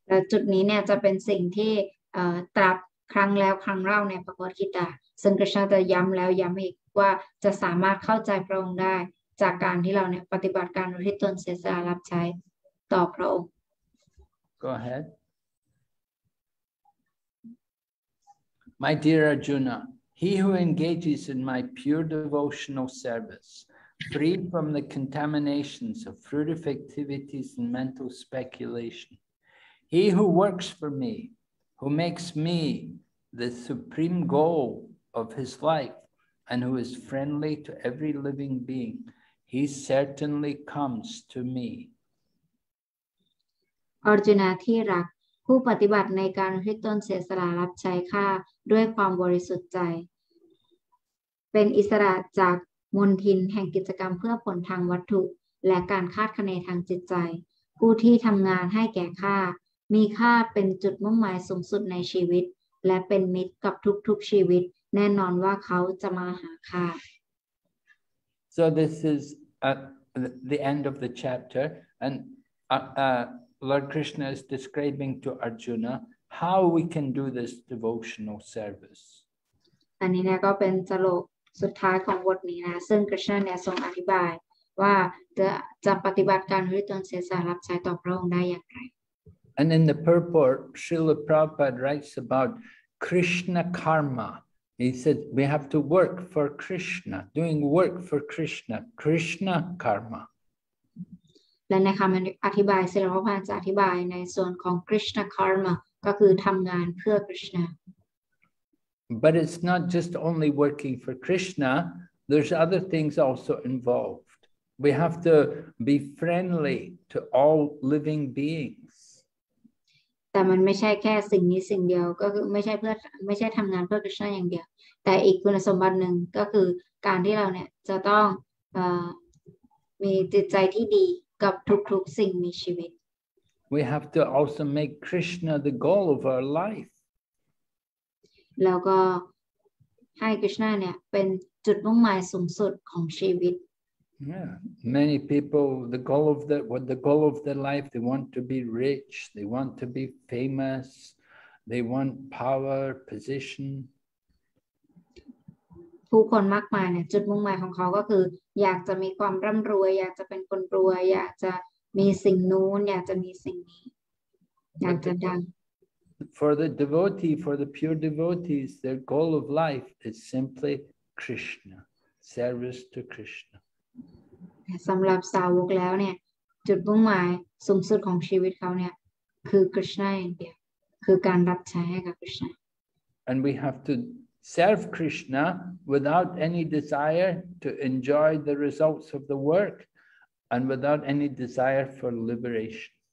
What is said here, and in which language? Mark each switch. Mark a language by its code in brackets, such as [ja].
[th] จุดนี้เนี่ยจะเป็นสิ่งที่ตรัสครั้งแล้วครั้งเล่าในพระบทกิตาซึ่งคริชนาจะย้ำแล้วย้ำอีกว่าจะสามารถเข้าใจพระองค์ได้จากการที่เราเนี่ยปฏิบัติการอุทิศตนเสียสละรับใช้ต่อพระองค์ [en] Go ahead. My dear Arjuna, he who engages in my pure devotional service, freed from the contaminations of fruitive activities and mental speculation, he who works for me, who makes me the supreme goal of his life, and who is friendly to every living being. He certainly comes to me. [th] Arjuna ที่รักผู้ปฏิบัติในการอุทิศตนเสียสละรับใช้ข้าด้วยความบริสุทธิ์ใจเป็นอิสระจากมลทินแห่งกิจกรรมเพื่อผลทางวัตถุและการคาดคะเนทางจิตใจผู้ที่ทำงานให้แก่ข้ามีข้าเป็นจุดมุ่งหมายสูงสุดในชีวิตและเป็นมิตรกับทุกๆชีวิตแน่นอนว่าเขาจะมาหาข้า [en] So this is the end of the chapter, and Lord Krishna is describing to Arjuna how we can do this devotional service. And this is the end of the chapter, and Lord Krishna is describing to Arjuna how we can do this devotional service. And in the purport, Srila Prabhupada writes about Krishna karma. He said, we have to work for Krishna, doing work for Krishna, Krishna karma. [th] และในคำอธิบายศิลปพันธ์จะอธิบายในส่วนของ Krishna karma ก็คือทำงานเพื่อ Krishna. [en] But it's not just only working for Krishna. There's other things also involved. We have to be friendly to all living beings. [th] แต่มันไม่ใช่แค่สิ่งนี้สิ่งเดียวก็คือไม่ใช่ทำงานเพื่อกฤษณาอย่างเดียวแต่อีกคุณสมบัตินึงก็คือการที่เราเนี่ยจะต้องมีจิตใจที่ดีกับทุกๆสิ่งมีชีวิต [en] We have to also make Krishna the goal of our life. [th] แล้วก็ให้กฤษณาเนี่ยเป็นจุดมุ่งหมายสูงสุดของชีวิต [en] Yeah, many people the goal of their life they want to be rich, they want to be famous, they want power, position. [th] ผู้คนมากมายเนี่ยจุดมุ่งหมายของเขาก็คืออยากจะมีความร่ำรวยอยากจะเป็นคนรวยอยากจะมีสิ่งนู้นอยากจะมีสิ่งนี้อยากจะดัง [en] For the devotee, for the pure devotees, their goal of life is simply Krishna, service to Krishna. [th] สำหรับสาวกแล้วเนี่ยจุดมุ่งหมายสูงสุดของชีวิตเขาเนี่ยคือกฤษณาอย่างเดียวคือการรับใช้ให้กับกฤษณา [en] And we have to serve Krishna without any desire to enjoy the results of the work and without any desire for liberation.